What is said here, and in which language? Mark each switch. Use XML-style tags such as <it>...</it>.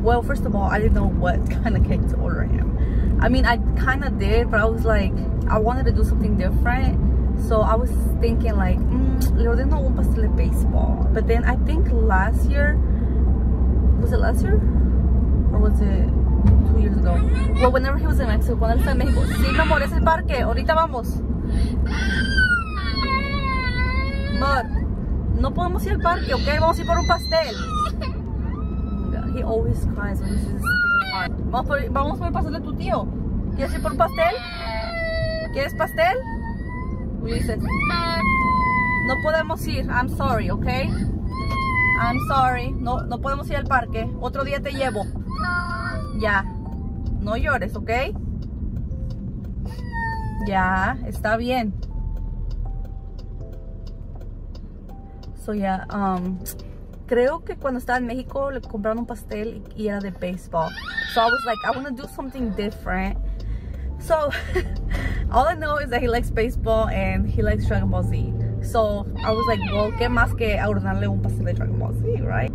<en>Well, first of all, I didn't know what kind of cake to order him. I mean, I kind of did, but I was like, I wanted to do something different. So I was thinking like,</en> <es>le ordené un pastel de baseball.</es> <en>But then I think last year, was it last year? Or was it 2 years ago? Well, whenever he was in Mexico,</en> <es>cuando él estaba en México. Sí, mi amor, es el parque, ahorita vamos. But no podemos ir al parque, okay? Vamos a ir por un pastel.</es> <en>He always cries when he's hard.</en> <es>Vamos a ir pasarle a tu tío. ¿Quieres ir por un pastel? ¿Quieres pastel? Ulises. No podemos ir.</es> <en>I'm sorry, okay? I'm sorry.</en> <es>No, no podemos ir al parque. Otro día te llevo. Ya. No llores, okay? Ya. Está bien. So yeah, creo que cuando estaba en México le compraron un pastel y era de baseball.</es> <en>So I was like, I want to do something different. So all I know is that he likes baseball and he likes Dragon Ball Z. So I was like, well,</en> <es>¿qué más que ordenarle un pastel de Dragon Ball Z, right?</es>